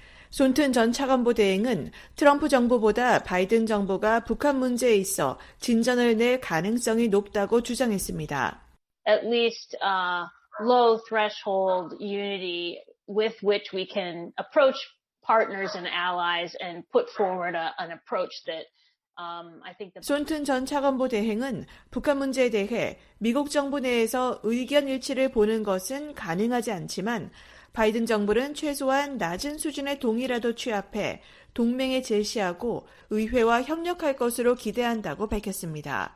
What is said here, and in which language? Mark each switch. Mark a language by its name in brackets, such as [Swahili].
[Korean] 손튼 전 차관보 대행은 트럼프 정부보다 바이든 정부가 북한 문제에 있어 진전을 낼 가능성이 높다고 주장했습니다. [English] At least low threshold unity with which we can approach partners and allies and put forward an approach that I think the [Korean] 존튼 전 차관보 대행은 북한 문제에 대해 미국 정부 내에서 의견 일치를 보는 것은 가능하지 않지만 바이든 정부는 최소한 낮은 수준의 동의라도 취합해 동맹에 제시하고 의회와 협력할 것으로 기대한다고 밝혔습니다.